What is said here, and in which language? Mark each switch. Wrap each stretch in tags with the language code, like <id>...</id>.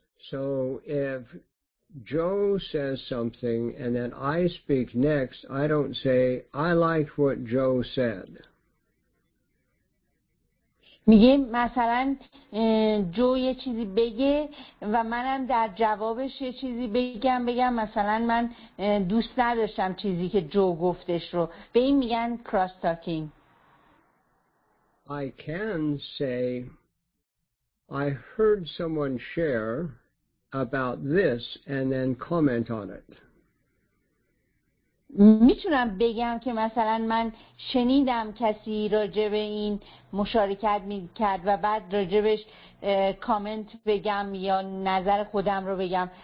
<en>So if Joe says something and then I speak next, I don't say I like what Joe said.</en> <fa>میگه مثلا جو یه چیزی بگه و منم در جوابش یه چیزی بگم مثلا من دوست نداشتم چیزی که جو گفتش رو. به این میگن کراس تاکینگ.</fa> <en>I can say I heard someone share about this and then comment on it.</en> <fa>میتونم بگم که مثلا من شنیدم کسی راجع به این مشارکت میکرد و بعد راجبش کامنت بگم یا نظر خودم رو بگم.</fa>